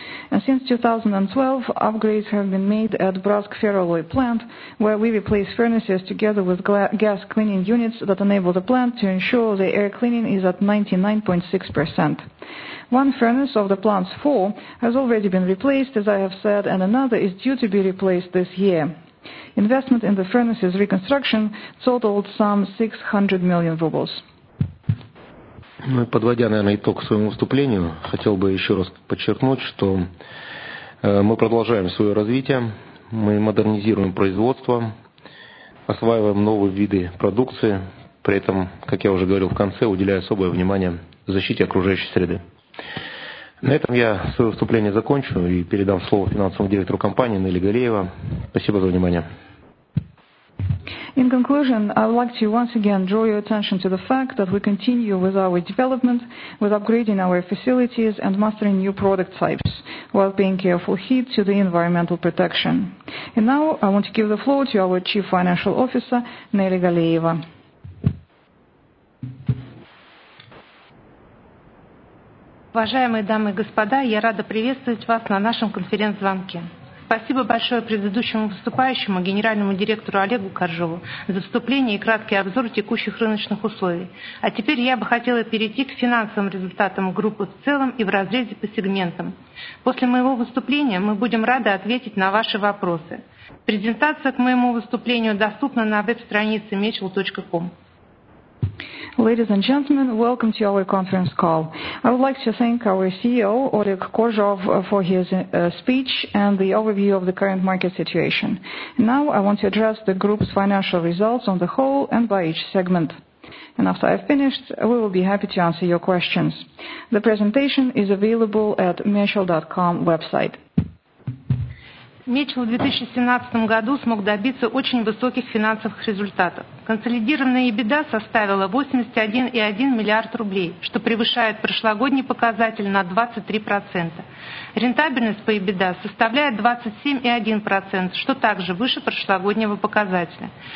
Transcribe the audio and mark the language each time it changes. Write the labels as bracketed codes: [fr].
[en] And since 2012, upgrades have been made at Brask ferroalloy plant, where we replace furnaces together with gas cleaning units that enable the plant to ensure the air cleaning is at 99.6%. One furnace of the plant's 4 has already been replaced, as I have said, and another is due to be replaced this year. Investment in the furnace's reconstruction totaled some 600 million rubles. [ru] Ну, подводя, наверное, итог к своему выступлению, хотел бы еще раз подчеркнуть, что мы продолжаем свое развитие, мы модернизируем производство, осваиваем новые виды продукции, при этом, как я уже говорил в конце, уделяя особое внимание защите окружающей среды. На этом я свое выступление закончу и передам слово финансовому директору компании Нелли Галеева. Спасибо за внимание. [en] In conclusion, I would like to once again draw your attention to the fact that we continue with our development, with upgrading our facilities and mastering new product types, while paying careful heed to the environmental protection. And now I want to give the floor to our Chief Financial Officer, Нелли Галеева. [ru] Уважаемые дамы и господа, я рада приветствовать вас на нашем конференц-звонке. Спасибо большое предыдущему выступающему, генеральному директору Олегу Коржову, за вступление и краткий обзор текущих рыночных условий. А теперь я бы хотела перейти к финансовым результатам группы в целом и в разрезе по сегментам. После моего выступления мы будем рады ответить на ваши вопросы. Презентация к моему выступлению доступна на веб-странице mechel.com. [en] Ladies and gentlemen, welcome to our conference call. I would like to thank our CEO, Oleg Koržov, for his speech and the overview of the current market situation. Now I want to address the group's financial results on the whole and by each segment. And after I've finished, we will be happy to answer your questions. The presentation is available at mechel.com website. [ru] Мечел в 2017 году смог добиться очень высоких финансовых результатов. Консолидированная EBITDA составила 81,1 миллиард рублей, что превышает прошлогодний показатель на 23%. Рентабельность по EBITDA составляет 27,1%, что также выше прошлогоднего показателя.